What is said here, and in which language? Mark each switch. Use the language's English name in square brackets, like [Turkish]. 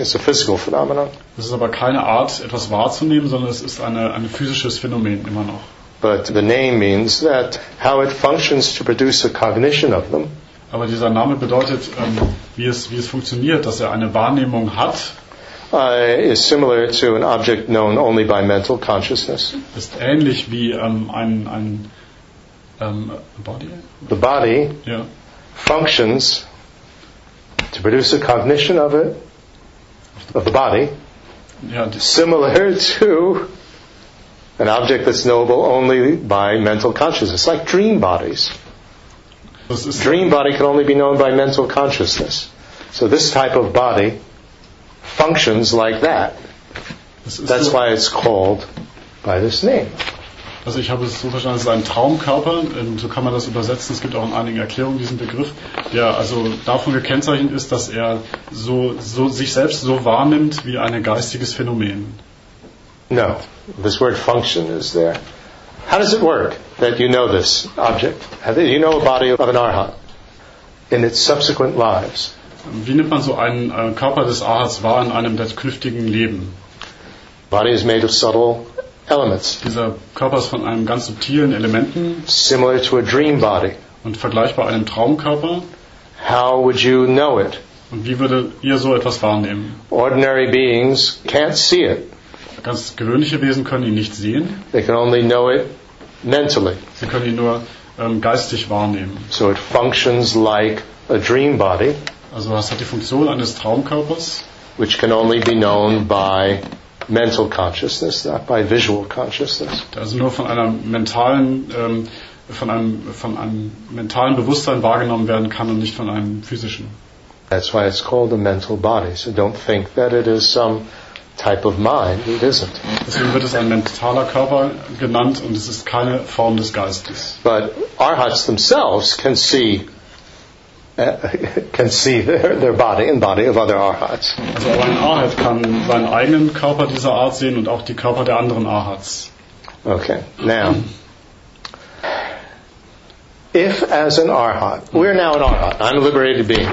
[English] It's a physical phenomenon. [German] Das ist aber keine Art, etwas wahrzunehmen, sondern es ist ein physisches Phänomen immer noch. [English] But the name means that how it functions to produce a cognition of them. [German] Aber dieser Name bedeutet, wie es funktioniert, dass eine Wahrnehmung hat. [English] Is similar to an object known only by mental consciousness. [German] Ist ähnlich wie ein body. [English] The body, yeah, functions to produce a cognition of it, of the body, yeah, similar to an object that's knowable only by mental consciousness, like dream bodies. Dream body can only be known by mental consciousness. So this type of body functions like that. That's why it's called by this name. [German] Also ich habe es so verstanden, es ist ein Traumkörper, so kann man das übersetzen. Es gibt auch in einigen Erklärungen diesen Begriff, der also davon gekennzeichnet ist, dass er so sich selbst so wahrnimmt wie ein geistiges Phänomen. [English] No, this word function is there. How does it work that you know this object? You know a body of an arhat in its subsequent lives. [German] Wie nimmt man so einen Körper des Arhats wahr in einem der künftigen Leben? [English] Body is made of subtle elements. [German] Dieser Körper ist von einem ganz subtilen Elementen. [English] Similar to a dream body. [German] Und vergleichbar einem Traumkörper. [English] How would you know it? [German] Und wie würdet ihr so etwas wahrnehmen? [English] Ordinary beings can't see it. [German] Ganz gewöhnliche Wesen können ihn nicht sehen. [English] They can only know it mentally. [German] Sie können ihn nur geistig wahrnehmen. [English] So it functions like a dream body. [German] Also was hat die Funktion eines Traumkörpers? [English] Which can only be known by mental consciousness, not by visual consciousness. [German] Also nur von einem mentalen Bewusstsein wahrgenommen werden kann und nicht von einem physischen. [English] That's why it's called a mental body. So don't think that it is some type of mind. It isn't. [German] Deswegen wird es ein mentaler Körper genannt und es ist keine Form des Geistes. [English] But arhats themselves can see. Can see their body and body of other arhats. [German] Also ein Arhat kann seinen eigenen Körper dieser Art sehen und auch die Körper der anderen Arhats. [English] Okay. Now, if as an Arhat, we're now an Arhat, I'm a liberated being.